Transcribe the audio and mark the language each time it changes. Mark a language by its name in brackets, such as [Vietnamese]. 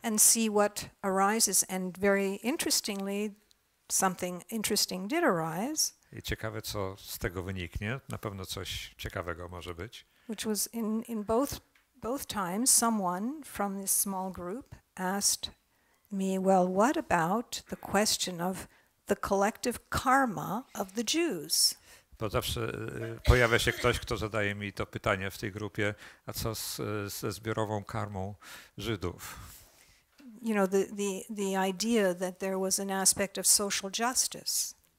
[English] And see what arises, and very interestingly, something interesting did arise. [Polish] I ciekawe, co z tego wyniknie. Na pewno coś ciekawego może być. [English] Which was in both times, someone from this small group asked me, well, what about the question of the collective karma of the Jews? [Polish] Bo zawsze pojawia się ktoś, kto zadaje mi to pytanie w tej grupie, a co ze zbiorową karmą Żydów? [English] You know, the idea that there was an aspect of social justice.